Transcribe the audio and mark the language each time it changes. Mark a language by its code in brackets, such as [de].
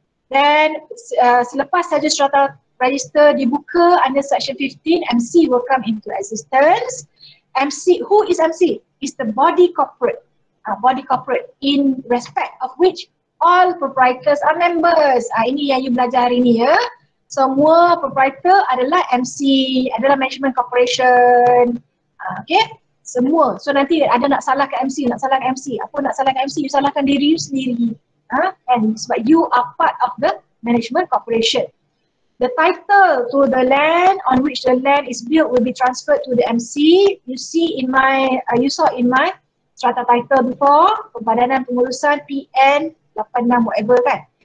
[en] Then, [ms] selepas saja [en] strata register [ms] dibuka [en] under section 15, MC will come into existence. MC, who is MC? Is the body corporate. Body corporate in respect of which all proprietors are members. [ms] Ini yang you belajar hari ni, ya. Semua proprietor adalah MC, adalah management corporation. Okay. Semua. So nanti ada nak salahkan MC, Apa nak salahkan MC? You salahkan diri you sendiri. [en] And [ms] sebab [en] you are part of the management corporation. The title to the land on which the land is built will be transferred to the MC. You see in my, you saw in my strata title before, Perbadanan Pengurusan PN86 whatever kan.